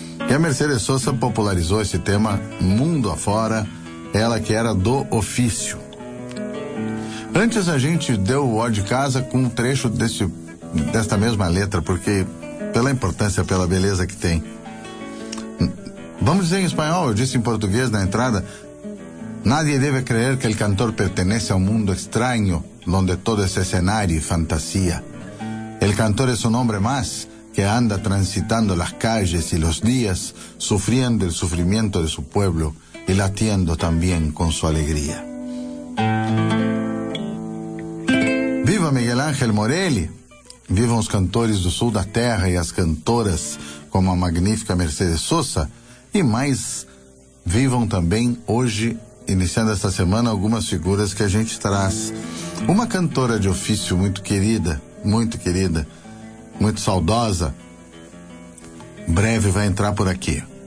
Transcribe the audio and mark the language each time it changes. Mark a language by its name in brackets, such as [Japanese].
[Portuguese] E a Mercedes Sosa popularizou esse tema mundo afora, ela que era do ofício. Antes a gente deu o ó de casa com um trecho desta mesma letra, porque pela importância, pela beleza que tem. Vamos dizer em espanhol, eu disse em português na entrada. [Spanish] Nadie deve creer que el cantor pertenece a un mundo extraño donde todo es escenario y fantasía. El cantor es un hombre más que anda transitando las calles y los días, sufriendo el sufrimiento de su pueblo y latiendo también con su alegría. Viva Miguel Ángel Morelli! [Portuguese] Vivam os cantores do sul da terra e as cantoras como a magnífica Mercedes Sosa, e mais, vivam também hoje, iniciando esta semana, algumas figuras que a gente traz. Uma cantora de ofício muito querida, muito saudosa, breve vai entrar por aqui.